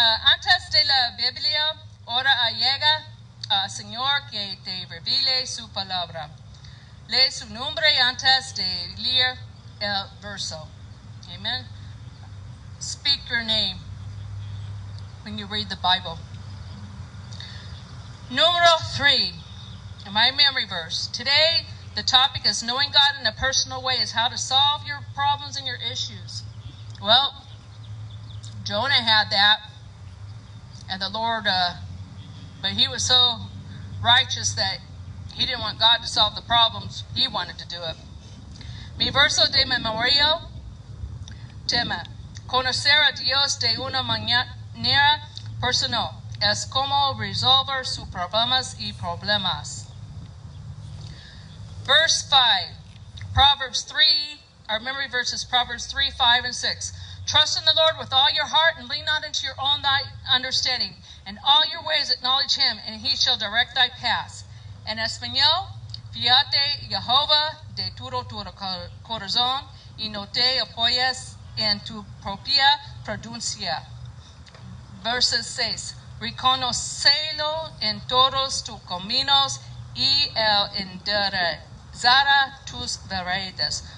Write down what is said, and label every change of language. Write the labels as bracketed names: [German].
[Spanish] antes de la Biblia, ahora llega Señor que te revele su palabra. Lee su nombre antes de leer el verso. [English] Amen. Speak your name when you read the Bible. [Spanish] Numero 3, [English] my memory verse. Today, the topic is knowing God in a personal way is how to solve your problems and your issues. Well, Jonah had that, and the Lord, but he was so righteous that he didn't want God to solve the problems. He wanted to do it. [Spanish] Mi verso de memoria, tema, conocer a Dios de una manera personal. Es como resolver sus problemas y problemas. [English] Verse 5. Proverbs 3. Our memory verse is Proverbs 3, 5, and 6. Trust in the Lord with all your heart and lean not into your own understanding. In all your ways acknowledge Him, and He shall direct thy paths. [Spanish] En español, fíate Jehová de todo tu corazón y no te apoyes en tu propia prudencia. [English] Verse 6. [Spanish] Reconócelo en todos tus caminos y él enderezará tus veredas.